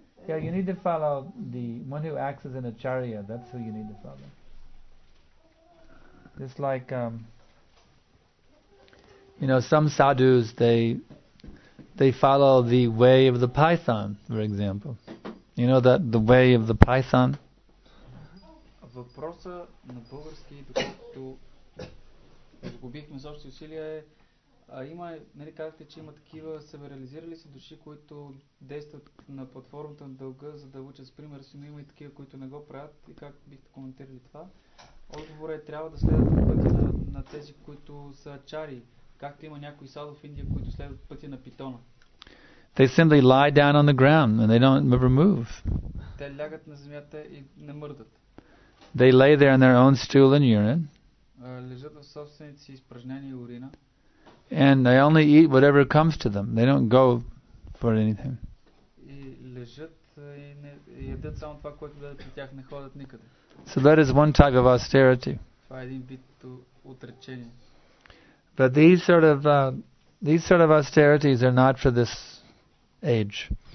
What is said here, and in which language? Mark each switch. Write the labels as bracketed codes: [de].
[en] Yeah, you need to follow the one who acts as an acharya. That's who you need to follow. Just like. You know, some sadhus, they follow the way of the python, for example. You know that, the way of the python? [bg] Въпросът на български, губихме всички усилия е, има, нали казахте, че има такива себерализирали се души, които действат на платформата на дълга, за да учат с пример си, но има и такива, които не го правят. И как бихте коментирали това? Отговорът е, трябва да следват пътя на тези, които са чари. Както има някои садо в Индия, които следват пътя на питона. [en] They simply lie down on the ground and they don't ever move. [bg] Те лягат на земята и не мърдат. [en] They lay there in their own stool and urine. [bg] Лежат в собствените си изпражнения и урина. [en] And they only eat whatever comes to them. They don't go for anything. [bg] И лежат и не ядат само това, което дойде при тях, не ходят никъде. [en] So that is one type of austerity. [bg] Това е един вид отречение. [en] But these sort of austerities are not for this age.